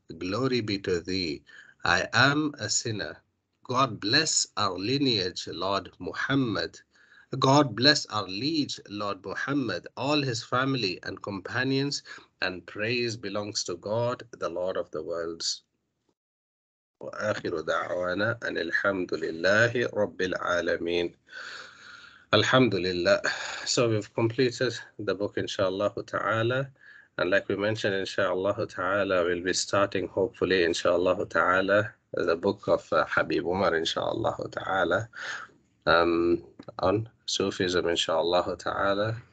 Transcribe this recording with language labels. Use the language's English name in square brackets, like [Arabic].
[English] Glory be to thee. I am a sinner. God bless our lineage, Lord Muhammad. God bless our liege, Lord Muhammad, all his family and companions, and praise belongs to God, the Lord of the worlds. [Arabic] وآخر دعوانا أن الحمد لله رب العالمين. Alhamdulillah. [English] So we've completed the book, inshallah ta'ala. And like we mentioned, inshallah ta'ala, we'll be starting, hopefully, inshallah ta'ala, the book of Habib Umar, inshallah ta'ala, on Sufism, inshallah ta'ala.